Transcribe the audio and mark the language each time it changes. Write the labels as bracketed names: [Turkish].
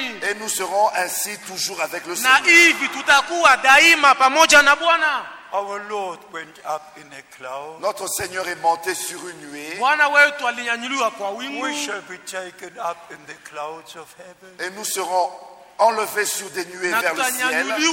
[French] Et nous serons ainsi toujours avec le Seigneur. [English] Our Lord went up in a cloud. [French] Notre Seigneur est monté sur une nuée. [English] We shall be taken up in the clouds of heaven. [French] Et nous serons enlevés sur des nuées vers le ciel.